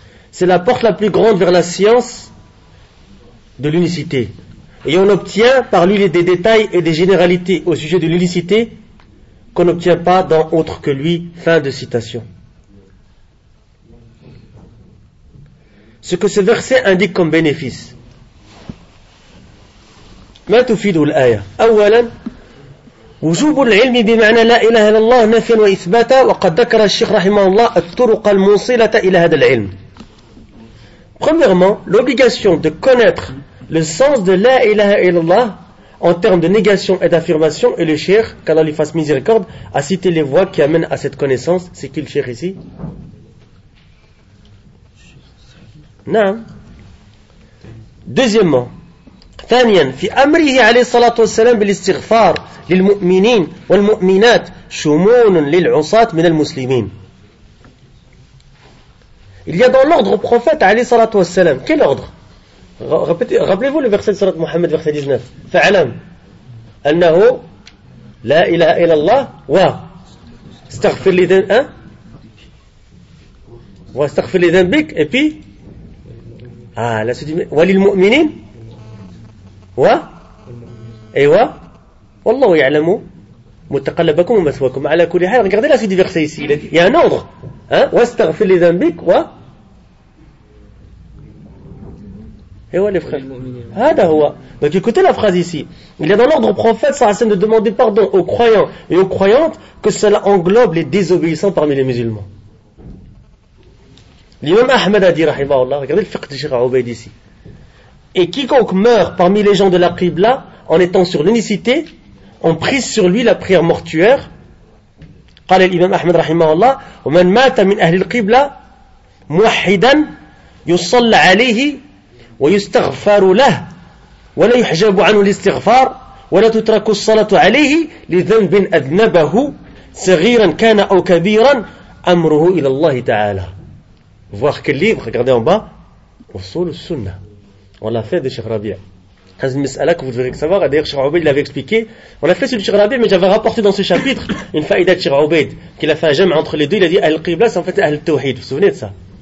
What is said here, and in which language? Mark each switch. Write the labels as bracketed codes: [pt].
[fr] C'est la porte la plus grande vers la science de l'unicité. Et on obtient par lui des détails et des généralités au sujet de l'unicité qu'on n'obtient pas dans autre que lui. Fin de citation. Ce que ce verset indique comme bénéfice. [ar] ما تفيد الآية أولا وجوب العلم بمعنى لا إله إلا الله نفيا وإثباتا وقد ذكر الشيخ رحمه الله الطرق الموصلة إلى هذا العلم. [fr] Premièrement, l'obligation de connaître le sens de la ilaha illallah en termes de négation et d'affirmation, et le cheikh, qu'Allah lui fasse miséricorde, a cité les voies qui amènent à cette connaissance. C'est qui le cheikh ici? Non. Deuxièmement, [ar] ثانياً في أمره عليه الصلاة والسلام بالاستغفار للمؤمنين والمؤمنات شمون للعصاة من المسلمين. [fr] Il y a dans l'ordre au prophète [ar] عليه الصلاة والسلام. [fr] Quel ordre? Rappelez-vous le verset de sourate Mohammed, verset 19. [ar] فعلم أنه لا إله إلا الله و استغفر لذنبك واستغفر لذنبك [fr] et puis [ar] وللمؤمنين و ايوا والله يعلم متقلبكم ومثواكم على كل حال. [fr] Regardez la suite du verset ici, il a dit il y a un ordre, hein, [ar] واستغفر لذنبك و ايوا [fr] les frères, [ar] هذا هو. [fr] Donc écoutez la phrase ici, il y a dans l'ordre au prophète [ar] صلى الله عليه وسلم [fr] de demander pardon aux croyants et aux croyantes, que cela englobe les désobéissants parmi les musulmans. L'imam Ahmed a dit [ar] رحمه الله, [fr] regardez le fiqh de Cheikh Aoubaid ici. Et quiconque meurt parmi les gens de la Qibla en étant sur l'unicité, on prise sur lui la prière mortuaire. [ar] قال الإمام أحمد رحمه الله ومن مات من أهل القبلة موحدا يصلى عليه ويستغفر له ولا يحجب عنه الاستغفار ولا تترك الصلاة عليه لذنب أذنبه صغيرا كان أو كبيرا أمره إلى الله تعالى. [fr] Voir quel livre, regardez en bas, [ar] وصول السنة. [fr] On l'a fait de Cheikh Rabia. C'est une mis'ala que vous devrez savoir. D'ailleurs, Cheikh Aoubaid l'avait expliqué. On l'a fait sur Cheikh Rabia, mais j'avais rapporté dans ce chapitre une faïda de Cheikh Aoubaid, qu'il a fait un jam entre les deux. Il a dit Al-Qibla, c'est en fait Al-Tawhid. Vous vous souvenez de ça?